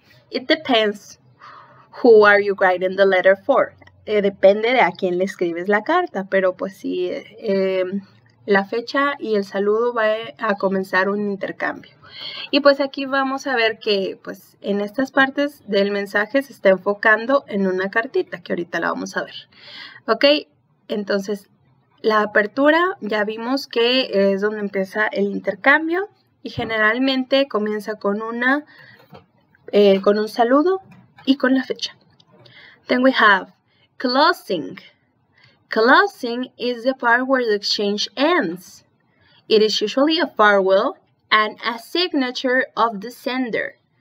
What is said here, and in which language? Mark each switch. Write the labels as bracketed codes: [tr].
[en] It depends who are you writing the letter for. [es] Depende de a quién le escribes la carta, pero pues sí, la fecha y el saludo va a comenzar un intercambio. Y pues aquí vamos a ver que pues en estas partes del mensaje se está enfocando en una cartita, que ahorita la vamos a ver, ¿ok? Entonces, la apertura, ya vimos que es donde empieza el intercambio y generalmente comienza con un saludo y con la fecha. [en] Then we have closing. Closing is the part where the exchange ends. It is usually a farewell and a signature of the sender.